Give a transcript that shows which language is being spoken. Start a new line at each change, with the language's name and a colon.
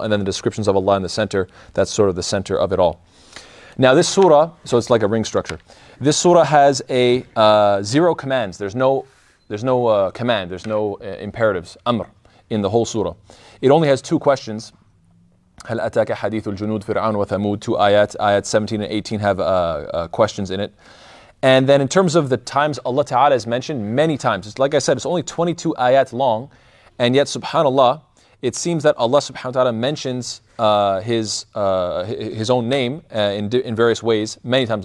English: And then the descriptions of Allah in the center, that's sort of the center of it all. Now this surah, so it's like a ring structure. This surah has a zero commands. There's no command. There's no imperatives, amr, in the whole surah. It only has two questions.
Arabic: هل أتاك حديث الجنود فرعون وثمود?
English: Two ayat. Ayat 17 and 18 have questions in it. And then in terms of the times Allah Ta'ala has mentioned many times. It's like I said, it's only 22 ayat long. And yet, subhanAllah, it seems that Allah subhanahu wa ta'ala mentions his own name in various ways many times.